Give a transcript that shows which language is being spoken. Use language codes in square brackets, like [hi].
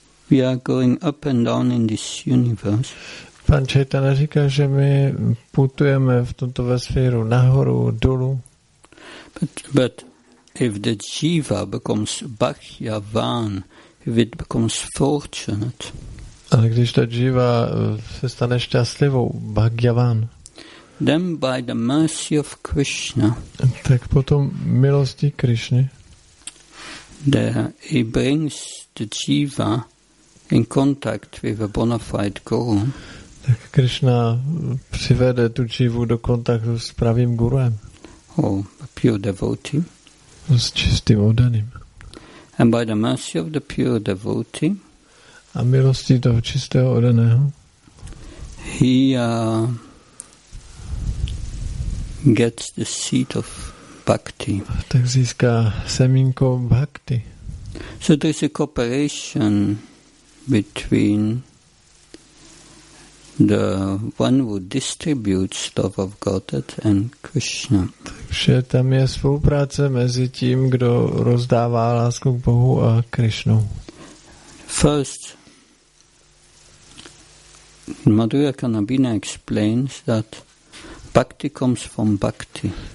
[en] We are going up and down in this universe. [cs] Pan Chaitanya říká, že my putujeme v tomto vesmíru nahoru, dolů. [en] But if the jiva becomes bhagyavan, if it becomes fortunate. [cs] Ale když ta jiva se stane šťastlivou, bhagyavan. [en] Then by the mercy of Krishna. [cs] Tak potom milosti Krishny. [en] He brings the jiva in contact with a bona fide guru. [cs] Tak Krishna přivede tu jivu do kontaktu s pravým guruem. [en] Oh, a pure devotee. [cs] S čistým oddaným. [en] And by the mercy of the pure devotee. [cs] A milosti toho čistého oddaného. [en] He gets the seed of bhakti. [cs] Tak získá semínko bhakti. [en] So there is a cooperation between the one who distributes love of Godhead and Krishna. [cs] Takže tam je spolupráce mezi tím, kdo rozdává lásku k Bohu a Krishnu. [en] First, Madhurya Kanabina explains that bhakti comes from bhakti.